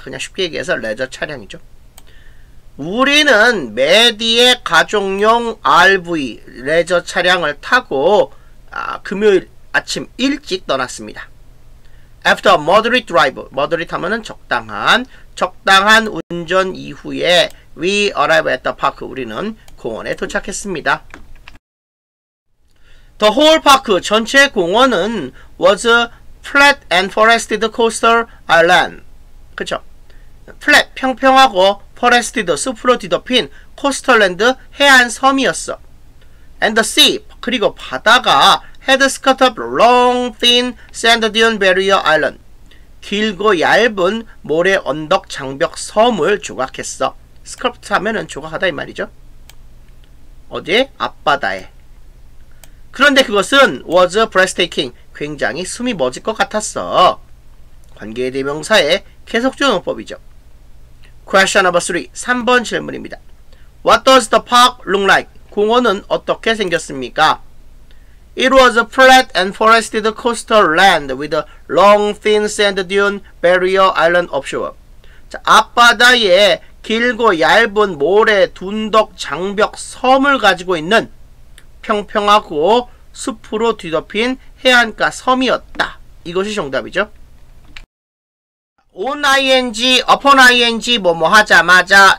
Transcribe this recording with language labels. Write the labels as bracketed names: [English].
[Korean] 그냥 쉽게 얘기해서 레저 차량이죠. 우리는 메디의 가족용 RV 레저 차량을 타고 금요일 아침 일찍 떠났습니다. [English] After a moderate drive, moderate 하면은 [Korean] 적당한 운전 이후에 [English] we arrived at the park. [Korean] 우리는 공원에 도착했습니다. [English] The whole park, [Korean] 전체 공원은 [English] was a flat and forested coastal island. [Korean] 그쵸? flat, 평평하고 forested, 숲으로 뒤덮인 coastal land, 해안 섬이었어. [English] And the sea, [Korean] 그리고 바다가 [English] had scattered long, thin sand dune barrier island. [Korean] 길고 얇은 모래 언덕 장벽 섬을 조각했어. sculpt 하면은 조각하다 이 말이죠. 어디? 앞바다에. 그런데 그것은 [English] was breathtaking. [Korean] 굉장히 숨이 멎을 것 같았어. 관계대명사의 계속적 용법이죠. [English] Question number 3. [Korean] 3번 질문입니다. [English] What does the park look like? [Korean] 공원은 어떻게 생겼습니까? [English] It was a flat and forested coastal land with a long thin sand dune barrier island offshore. [Korean] 자, 앞바다에 길고 얇은 모래 둔덕 장벽 섬을 가지고 있는 평평하고 숲으로 뒤덮인 해안가 섬이었다. 이것이 정답이죠. on ing, upon ing, 뭐뭐 하자마자.